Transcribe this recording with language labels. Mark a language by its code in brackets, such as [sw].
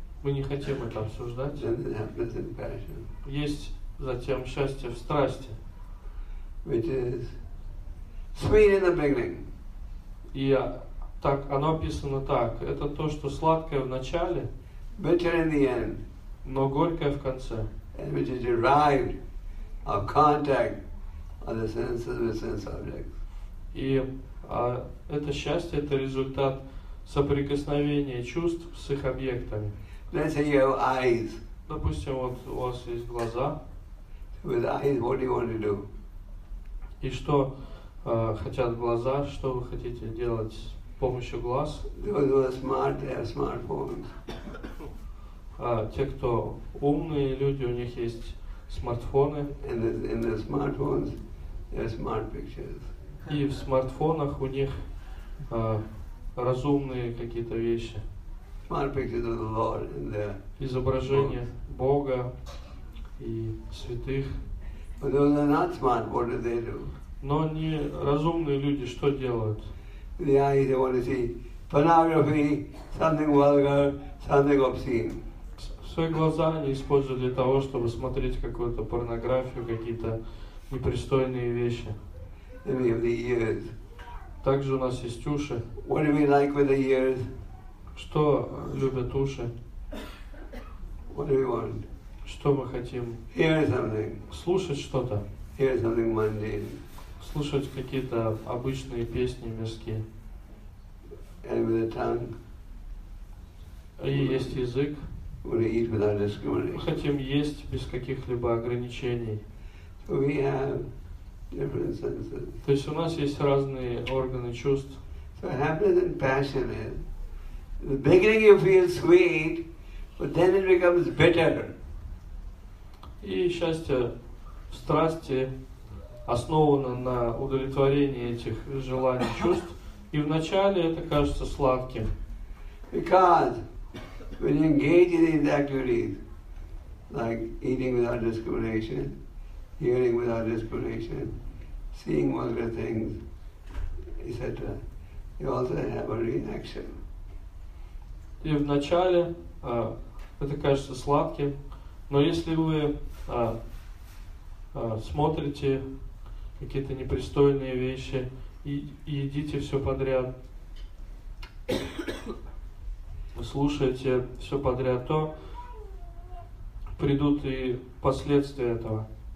[ru] Мы не хотим это обсуждать. [en] Then there's happiness and passion. [ru] Есть затем счастье в страсти. [en] Which is sweet in the beginning. [ru] И так оно описано так. Это то, что сладкое в начале, [en] bitter in the end, [ru] но горькое в конце. [en] And which is derived of contact of the senses with sense objects. [ru] И это счастье, это результат соприкосновения чувств с их объектами. [en] Let's say you have eyes. [ru] Допустим, вот у вас есть глаза. [en] With eyes, what do you want to do? [ru] И что хотят глаза, что вы хотите делать с помощью глаз? [en] Smart, they have smartphones. [ru] Те, кто умные люди, у них есть смартфоны. [en] In the smartphones, they have smart pictures. [ru] И в смартфонах у них разумные какие-то вещи. [en] Smart pictures of the Lord in the [ru] изображения [en] books. [ru] Бога и святых. [en] But those are not smart, what do they do? [ru] Но не разумные люди что делают? [en] The eyes, they want to see pornography, something vulgar, something obscene. [ru] Свои глаза они используют для того, чтобы смотреть какую-то порнографию, какие-то непристойные вещи. [en] And we have the ears. [ru] Также у нас есть уши. [en] What do we like with the ears? [ru] Что любят уши? [en] What do we want? [ru] Что мы хотим? [en] Hear something. [ru] Слушать что-то. [en] Hear something mundane. [ru] Слушать какие-то обычные песни мирские. [en] And with the tongue. [ru] И есть язык. [en] We eat without discrimination. [ru] Мы хотим есть без каких-либо ограничений. [en] So we have different senses. [ru] То есть у нас есть разные органы чувств. [en] So What happens in passion is, in the beginning you feel sweet, but then it becomes bitter. [ru] И счастье в страсти основано на удовлетворении этих желаний, чувств, и вначале это кажется сладким. [en] Because when you engage in these activities, like eating without discrimination, hearing without discrimination, seeing other things, etc., you also have a reaction. [ru] И вначале это кажется сладким, но если вы смотрите какие-то непристойные вещи и едите все подряд, слушаете все подряд, то придут и последствия этого.